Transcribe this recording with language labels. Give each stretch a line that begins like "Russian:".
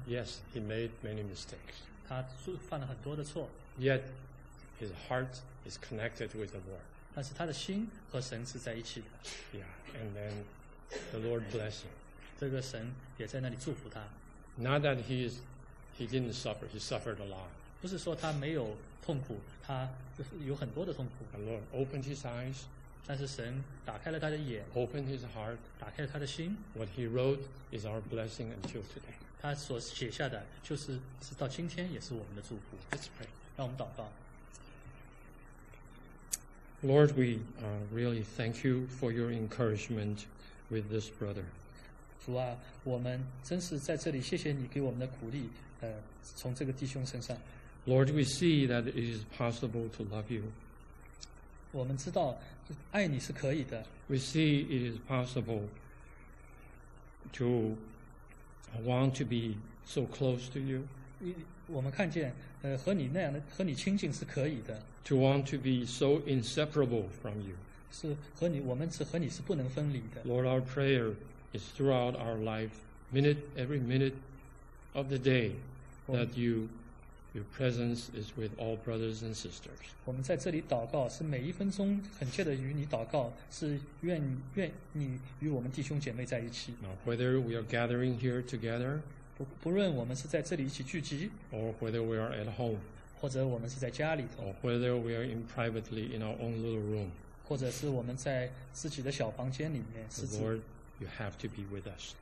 English: yes, he made many mistakes.
Chinese: 他犯了很多的错。
English: Yet his heart is connected with the Lord.
Chinese: 但是他的心和神是在一起的。
English: Yeah, and then the Lord blessed him.
Chinese: 这个神也在那里祝福他。
English: Not that he didn't suffer, he suffered a lot.
Chinese: 不是说他没有痛苦，他有很多的痛苦。
English: The Lord opened his eyes.
Chinese: 但是神打开了他的眼，
English: opened his heart,
Chinese: 打开了他的心。
English: What he wrote is our blessing until today.
Chinese: 他所写下的就是直到今天也是我们的祝福。
English: Let's pray.
Chinese: 让我们祷告。
English: Lord, we really thank you for your encouragement with this brother.
Chinese: 主啊，我们真是在这里谢谢你给我们的鼓励，从这个弟兄身上。
English: Lord, we see that it is possible to love you.
Chinese: 我们知道爱你是可以的。
English: We see it is possible to want to be so close to you.
Chinese: 我们看见和你那样的和你亲近是可以的。
English: To want to be so inseparable from you.
Chinese: 是和你我们是和你是不能分离的。
English: Lord, our prayer is throughout our life, minute, every minute of the day, that youYour presence is with all brothers and sisters.
Chinese: 我们在这里祷告，是每一分钟恳切的与你祷告，是愿你与我们弟兄姐妹在一起。
English: Now, whether we are gathering here together,
Chinese: 不论我们是在这里一起聚集，
English: or whether we are at home,
Chinese: 或者我们是在家里头，
English: or whether we are in privately in our own little room,
Chinese: 或者是我们在自己的小房间里面，
English: the Lord, you have to be with us.